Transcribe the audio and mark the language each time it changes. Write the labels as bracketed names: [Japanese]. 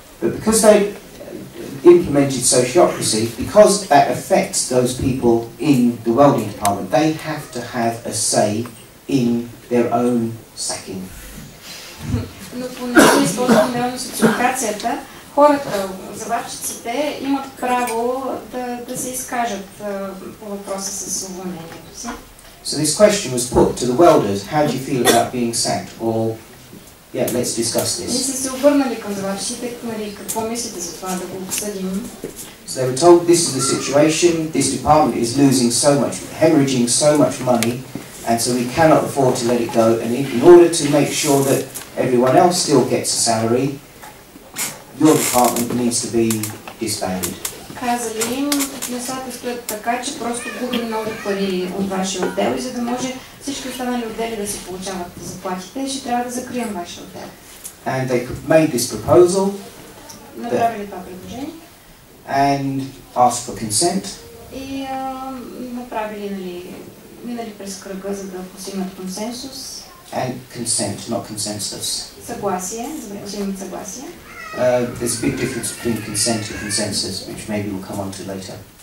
[English] But because they implemented sociocracy, because that affects those people in the welding department, they have to have a say in their own sacking. [Bulgarian] Но понеже използвам неволно социокрацията, хората, заварчиците, имат право да се изкажат по въпроса с уволнението си. [English] So this question was put to the welders, how do you feel about being sacked? Or Yeah, let's discuss this. So they were told this is the situation, this department is losing so much, hemorrhaging so much money, and so we cannot afford to let it go. And in order to make sure that everyone else still gets a salary, your department needs to be disbanded. [Bulgarian] Казали им, не са да стоят така, че просто губим много пари от вашия отдел и за да може всички останали отдели да си получават заплатите, ще трябва да закрием вашия отдел. [English] And they made this proposal. [Bulgarian] Направили това предложение. [English] And asked for consent. [Bulgarian] И направили, нали, минали през кръга, за да постигнат консенсус. [English] And consent, not consensus. [Bulgarian] Съгласие, за да постигнат съгласие. [English] There's a big difference between consent and consensus, which maybe we'll come on to later.